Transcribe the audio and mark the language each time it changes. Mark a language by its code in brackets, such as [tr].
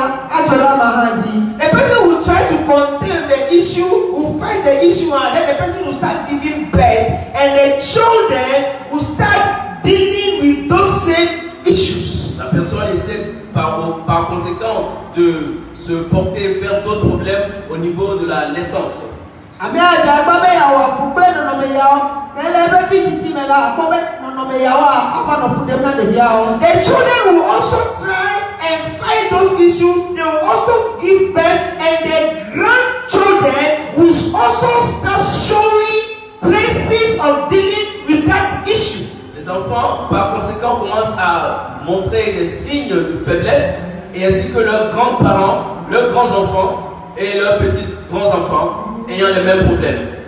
[en] A person will try to contain the issue, will fight the issue, and then the person will start giving birth, and the children will start dealing with those same issues. [fr] La personne essaie par conséquent de se porter vers d'autres problèmes au niveau de la naissance. [en] The children will also try and fight those issues. They will also give birth, and the grandchildren will also start showing traces of dealing with that issue. [fr] Les enfants, par conséquent, commencent à montrer des signes de faiblesse, et ainsi que leurs grands-parents, leurs grands-enfants et leurs petits-grands-enfants ayant les mêmes problèmes.